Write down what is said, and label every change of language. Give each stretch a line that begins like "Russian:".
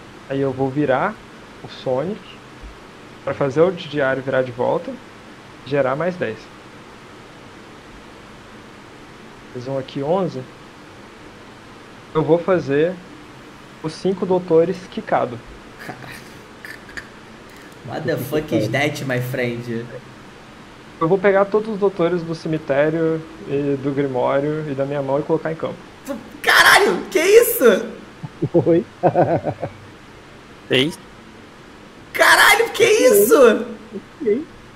Portuguese: Aí eu vou virar o Sonic. Pra fazer o diário virar de volta. Gerar mais 10. Fiz um aqui 11. Eu vou fazer os 5 doutores quicado.
English: What the fuck is that, my friend?
Portuguese: Eu vou pegar todos os doutores do cemitério e do grimório e da minha mão e colocar em campo. Caralho, que isso? Oi? Ei? Caralho, que isso?
English: Okay.